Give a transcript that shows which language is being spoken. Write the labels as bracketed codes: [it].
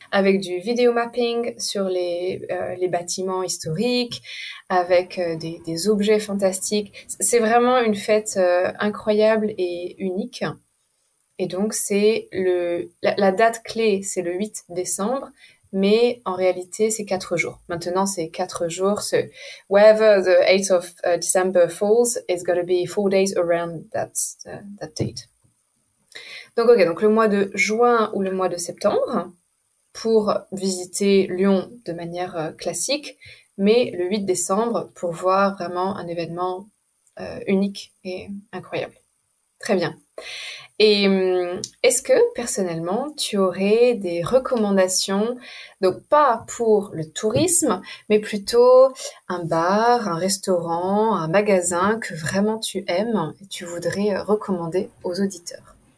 [fr] Avec du vidéo mapping sur les bâtiments historiques, avec des objets fantastiques. C'est vraiment une fête incroyable et unique. Et donc, c'est la date clé, c'est le 8 décembre. Mais en réalité, c'est 4 jours. Maintenant, c'est 4 jours. [en] So, wherever the 8th of December falls, it's going to be 4 days around that date. [fr] Donc, OK, donc le mois de juin ou le mois de septembre pour visiter Lyon de manière classique, mais le 8 décembre pour voir vraiment un événement unique et incroyable. Très bien. Et est-ce que personnellement, tu aurais des recommandations, donc pas pour le tourisme, mais plutôt un bar, un restaurant, un magasin que vraiment tu aimes et tu voudrais recommander aux auditeurs?